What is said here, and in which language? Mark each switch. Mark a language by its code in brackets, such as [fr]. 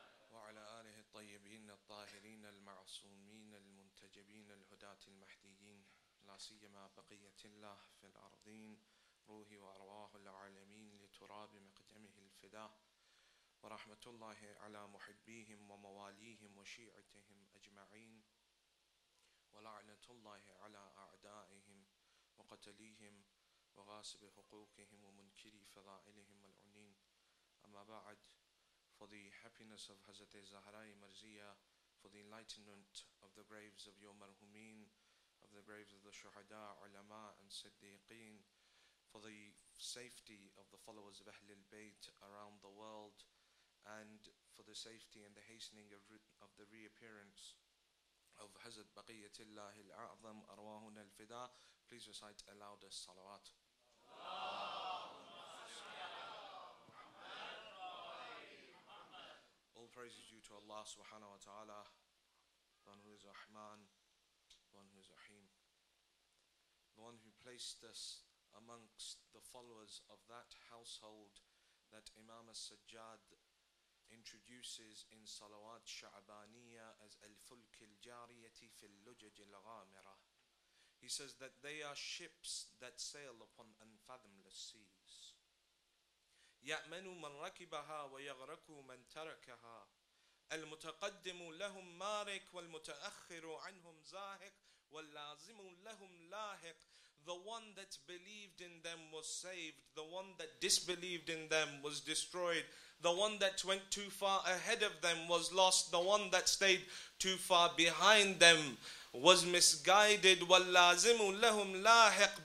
[ar] وعلى آله الطيبين الطاهرين المعصومين المنتجبين الهداة المهديين، لا سيما بقية الله في الأرضين، روحي وأرواح العالمين لتراب مقدمه الفداء، ورحمة الله على محبيهم ومواليهم وشيعتهم أجمعين، ولعنة الله على أعدائهم وقتليهم وغاصب حقوقهم ومنكري فضائلهم العنين. أما بعد، [en] for the happiness of Hazrat Zahra-e Marziya, for the enlightenment of the graves of your marhumin, of the graves of the shuhada, ulama and siddiqeen, for the safety of the followers of Ahlul Bayt around the world, and for the safety and the hastening of the reappearance of Hazrat Baqiyatullah al-A'zam arwahuna al-fida, please recite aloud a salawat. All praise is due to Allah subhanahu wa ta'ala, the one who is Rahman, the one who is Rahim, the one who placed us amongst the followers of that household that Imam al-Sajjad introduces in Salawat Sha'baniya as Al-Fulk al-Jariyati fil-Lujaj al-Ghamira. He says that they are ships that sail upon unfathomless seas. [ar] يأمن من ركبها ويغرق من تركها المتقدم لهم مارق والمتأخر عنهم زاهق واللازم لهم لاحق. [en] The one that believed in them was saved. The one that disbelieved in them was destroyed. The one that went too far ahead of them was lost. The one that stayed too far behind them was misguided. [ar] واللازم لهم لاحق.